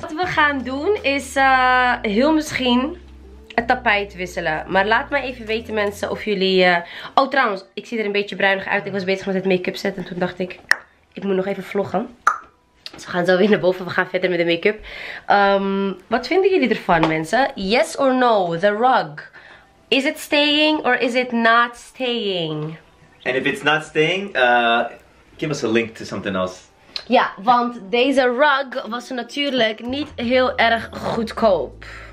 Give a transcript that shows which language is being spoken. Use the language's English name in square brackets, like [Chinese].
[Dutch] Wat we gaan doen is heel misschien het tapijt wisselen. Maar laat mij even weten, mensen, of jullie... Oh, trouwens, ik zie er een beetje bruinig uit. Ik was bezig met het make-up zetten en toen dacht ik, ik moet nog even vloggen. Dus we gaan zo weer naar boven. We gaan verder met de make-up. Wat vinden jullie ervan, mensen? [English] Yes or no? The rug. Is it staying or is it not staying? And if it's not staying, give us a link to something else. [Dutch] Ja, want deze rug was natuurlijk niet heel erg goedkoop.